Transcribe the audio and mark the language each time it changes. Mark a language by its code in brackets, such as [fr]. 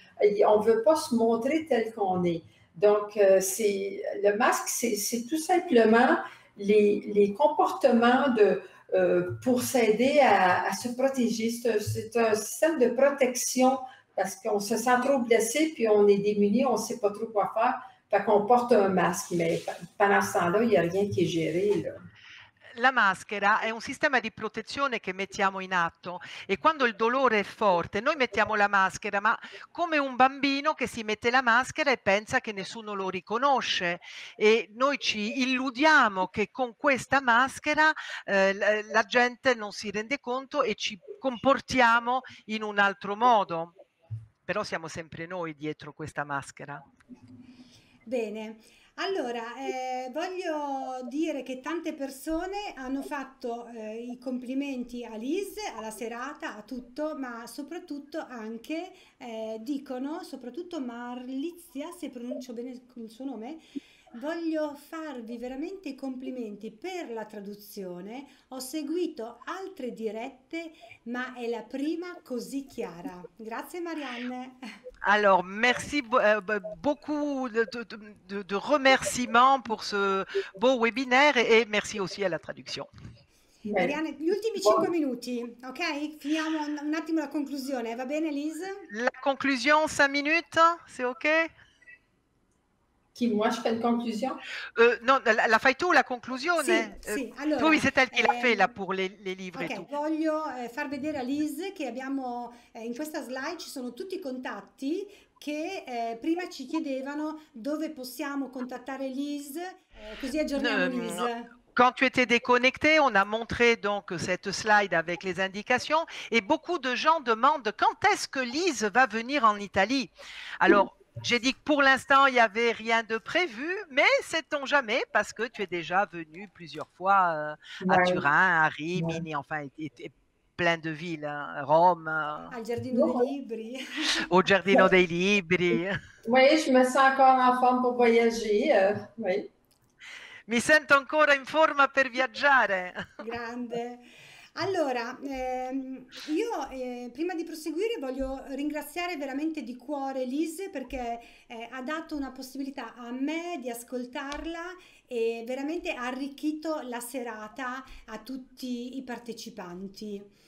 [fr] On ne veut pas se montrer tel qu'on est. Donc, c'est le masque, c'est tout simplement les comportements pour s'aider à se protéger. C'est un système de protection parce qu'on se sent trop blessé, puis on est démuni, on ne sait pas trop quoi faire. Fait qu'on porte un masque, mais pendant ce temps-là, il n'y a rien qui est géré, là. [it] La maschera è un sistema di protezione che mettiamo in atto e quando il dolore è forte noi mettiamo la maschera, ma come un bambino che si mette la maschera e pensa che nessuno lo riconosce e noi ci illudiamo che con questa maschera la gente non si rende conto e ci comportiamo in un altro modo, però siamo sempre noi dietro questa maschera. Bene. Allora, voglio dire che tante persone hanno fatto i complimenti a Liz, alla serata, a tutto, ma soprattutto anche dicono, soprattutto Marlizia, se pronuncio bene il suo nome, voglio farvi veramente i complimenti per la traduzione. Ho seguito altre dirette, ma è la prima così chiara. Grazie Marianne. [fr] Alors, merci beaucoup de remerciements pour ce beau webinaire et merci aussi à la traduction. [it] Marianne, gli ultimi 5 minuti, ok? Finiamo un attimo la conclusione, va bene Liz? [fr] La conclusion, 5 minutes, c'est ok? Qui, moi, je fais une conclusion? [it] Non, la fai tu la conclusione? Sì, sì. Allora, tu mi sei tenuto la fela per le libri. Ok, voglio far vedere a Liz che abbiamo, in questa slide ci sono tutti i contatti che prima ci chiedevano dove possiamo contattare Liz, così aggiorniamo Liz. No. [fr] Quand tu étais déconnecté, on a montré donc cette slide avec les indications et beaucoup de gens demandent quand est-ce que Liz va venir en Italie? Alors, j'ai dit que pour l'instant, il n'y avait rien de prévu, mais sait-on jamais parce que tu es déjà venu plusieurs fois à Turin, à Rimini, enfin, et plein de villes, Rome. [it] Al Giardino dei Libri. [fr] Au Giardino dei Libri. Oui, je me sens encore en forme pour voyager, oui. [it] Mi sento ancora in forma per viaggiare. Grande. Allora, io prima di proseguire voglio ringraziare veramente di cuore Liz perché ha dato una possibilità a me di ascoltarla e veramente ha arricchito la serata a tutti i partecipanti.